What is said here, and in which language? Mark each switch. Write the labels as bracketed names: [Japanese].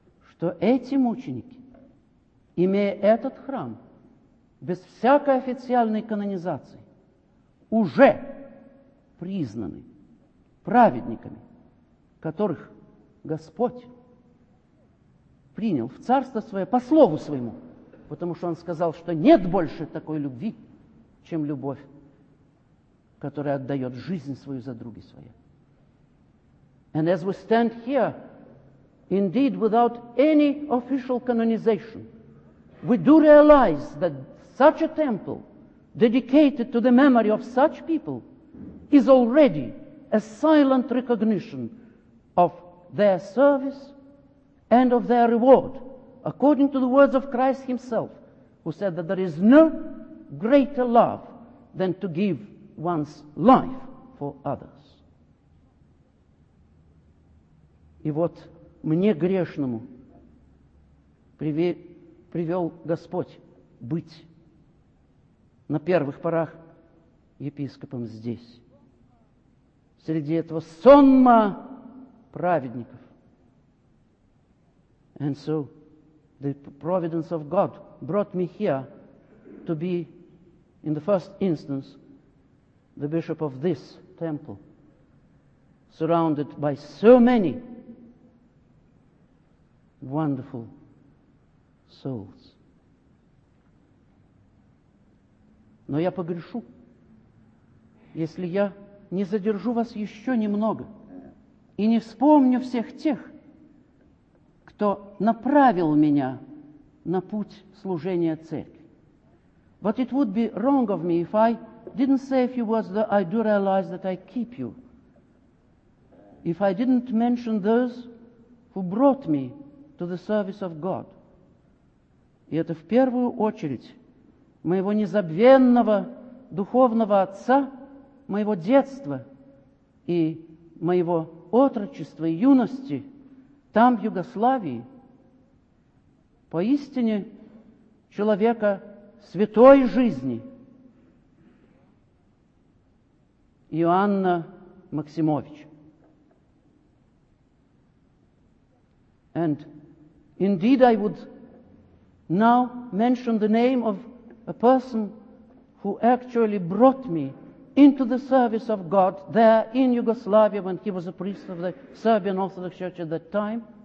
[Russian] Что эти мученики, имея этот храм, без всякой официальной канонизации, уже признаны праведниками, которых Господь принял в царство свое по слову своему, потому что он сказал, что нет больше такой любви, чем любовь, которая отдает жизнь свою за други свои. [English] And as we stand here, indeed without any official canonization, we do realize that such a temple dedicated to the memory of such people is already a silent recognition of their service and of their reward, according to the words of Christ himself, who said that there is no greater love than to give one's life for others. [Russian] И вот мне грешному привел Господь быть на первых порах епископом здесь, среди этого сонма праведников. [English] And so the providence of God brought me here to be, in the first instance, the bishop of this temple, surrounded by so many wonderful souls. [Russian] Но я погрешу, если я не задержу вас еще немного и не вспомню всех тех, кто направил меня на путь служения церкви. [English] But it would be wrong of me if I didn't say a few words, though I do realize that I keep you. If I didn't mention those who brought me to the service of God. [Russian] И это в первую очередь моего незабвенного духовного отца, моего детства и моего отрочества и юности там, в Югославии, поистине человека святой жизни, Иоанна Максимовича. [English] And indeed I would now mention the name of a person who actually brought me into the service of God there in Yugoslavia when he was a priest of the Serbian Orthodox Church at that time.